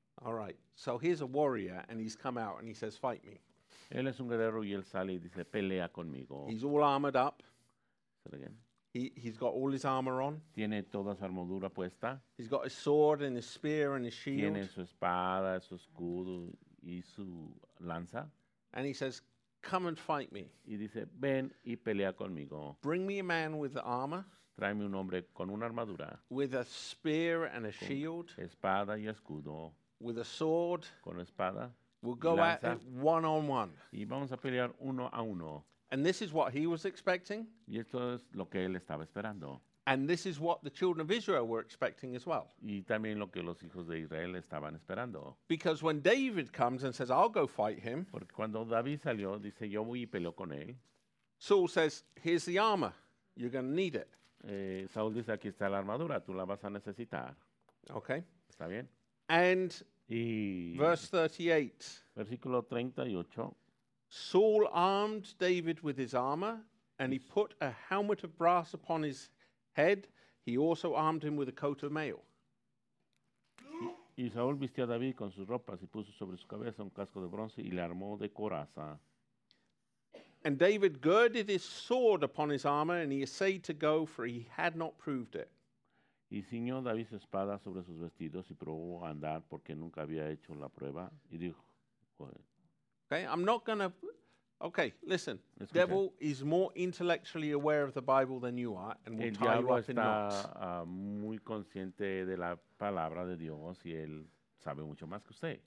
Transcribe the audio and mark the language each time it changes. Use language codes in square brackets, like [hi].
[en] All right, so here's a warrior, and he's come out, and he says, fight me. [es] Él es un guerrero, y él sale y dice, pelea conmigo. [en] He's all armored up. Say it again. He's got all his armor on. [es] Tiene toda su armadura puesta. [en] He's got his sword and his spear and his shield. [es] Tiene su espada, su escudo, y su lanza. [en] And he says, come and fight me. [es] Y dice, ven y pelea conmigo. [en] Bring me a man with armor. [es] Tráeme un hombre con una armadura. [en] With a spear and a shield. [es] Espada y escudo. [en] With a sword. [es] Con espada. [en] We'll go at it one on one. [es] Y vamos a pelear uno a uno. [en] And this is what he was expecting. [es] Y esto es lo que él estaba esperando. [en] And this is what the children of Israel were expecting as well. [es] Y también lo que los hijos de Israel estaban esperando. [en] Because when David comes and says, I'll go fight him. [es] Porque cuando David salió, dice, yo voy y peleo con él. [en] Saul says, here's the armor. You're going to need it. [es] Saul dice, aquí está la armadura. Tú la vas a necesitar. [en] Okay. [es] Está bien. [en] And [es] y [en] verse 38. Saul armed David with his armor, and he put a helmet of brass upon his head. He also armed him with a coat of mail. [es] Y Saúl vistió a David con sus ropas y puso sobre su cabeza un casco de bronce y le armó de coraza. [en] And David girded his sword upon his armor and he essayed to go, for he had not proved it. [es] Y ciñó David su espada sobre sus vestidos y probó a andar porque nunca había hecho la prueba y dijo, [en] okay, I'm not going to. Okay, listen. [es] Escuché. [en] Devil is more intellectually aware of the Bible than you are, and will [es] el [en] tie you up in knots. [es] El diablo está muy consciente de la palabra de Dios y él sabe mucho más que usted.